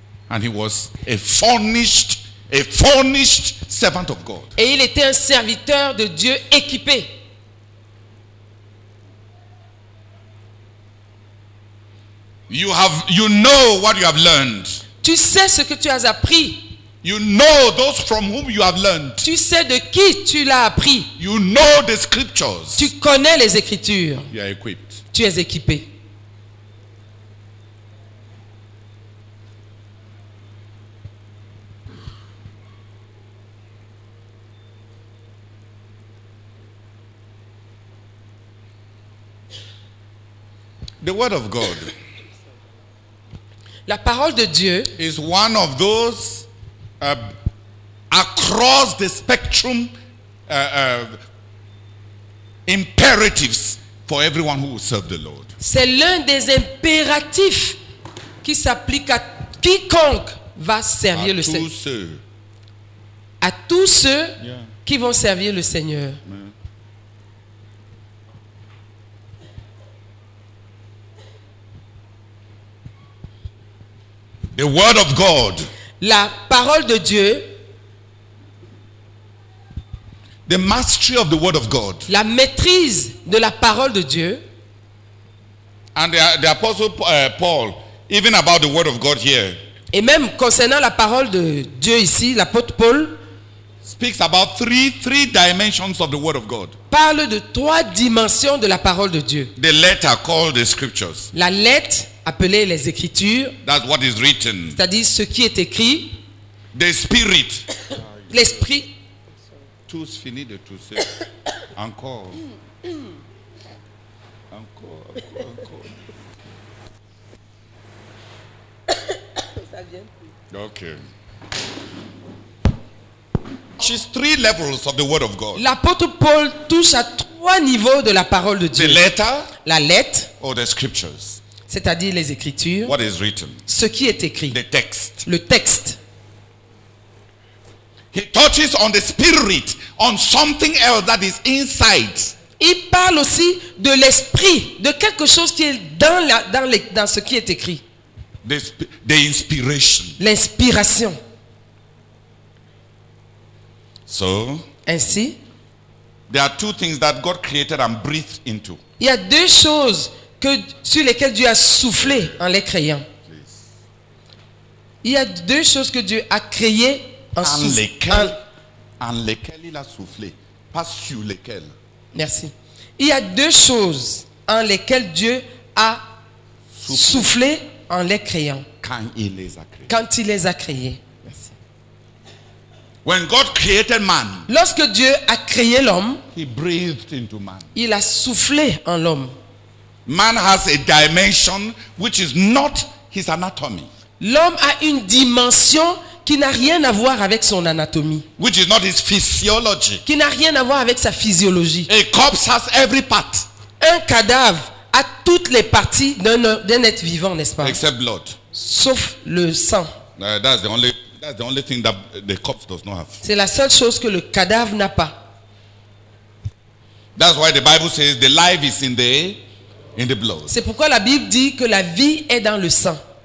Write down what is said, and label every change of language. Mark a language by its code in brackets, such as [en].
[en] And he was a furnished servant of God. [fr] Et il était un serviteur de Dieu équipé. [en] You know what you have learned. [fr] Tu sais ce que tu as appris. [en] You know those from whom you have learned. [fr] Tu sais de qui tu l'as appris. [en] You know the scriptures. [fr] Tu connais les écritures. [en] You are equipped. [fr] Tu es équipé. [en] The word of God. [fr] La parole de Dieu [en] is one of those across the spectrum imperatives for everyone who will serve the Lord. [fr] C'est l'un des impératifs qui s'applique à quiconque va servir le Seigneur. À tous ceux qui vont servir le Seigneur. [en] The word of God. [fr] La parole de Dieu. [en] The mastery of the word of God. [fr] La maîtrise de la parole de Dieu. [en] And the apostle Paul, even about the word of God here. [fr] Et même concernant la parole de Dieu ici, l'apôtre Paul [en] speaks about three dimensions of the word of God. [fr] Parle de trois dimensions de la parole de Dieu. [en] The letter called the scriptures. [fr] La lettre appelé les écritures. [en] That's what is written. [fr] C'est-à-dire ce qui est écrit. [en] The spirit. [fr] L'esprit. Tous finis de tous. Encore. Ça vient plus. [en] Okay. She's three levels of the word of God. [fr] L'apôtre Paul touche à trois niveaux de la parole de Dieu. [en] The letter. [fr] La lettre. [en] Or the scriptures. [fr] C'est-à-dire les écritures. [en] What is written? [fr] Ce qui est écrit. [en] The text. [fr] Le texte. [en] He touches on the spirit, on something else that is inside. [fr] Il parle aussi de l'esprit, de quelque chose qui est dans ce qui est écrit. [en] The inspiration. [fr] L'inspiration. [en] So, [fr] ainsi, [en] there are two things that God created and breathed into. [fr] Il y a deux choses que sur lesquels Dieu a soufflé en les créant. Il y a deux choses que Dieu a créées en lesquelles il a soufflé, pas sur lesquelles. Merci. Il y a deux choses en lesquelles Dieu a soufflé en les créant. Quand il les a créées. Merci. [en] When God created man, [fr] lorsque Dieu a créé l'homme, [en] he breathed into man. [fr] Il a soufflé en l'homme. [en] Man has a dimension which is not his anatomy. [fr] L'homme a une dimension qui n'a rien à voir avec son anatomie. [en] Which is not his physiology. [fr] Qui n'a rien à voir avec sa physiologie. [en] A corpse has every part. [fr] Un cadavre a toutes les parties d'un être vivant, n'est-ce pas? [en] Except blood. [fr] Sauf le sang. [en] That's the only thing that the corpse does not have. [fr] C'est la seule chose que le cadavre n'a pas. [en] That's why the Bible says the life is in the blood. [fr] C'est pourquoi la Bible dit que la vie est dans le sang.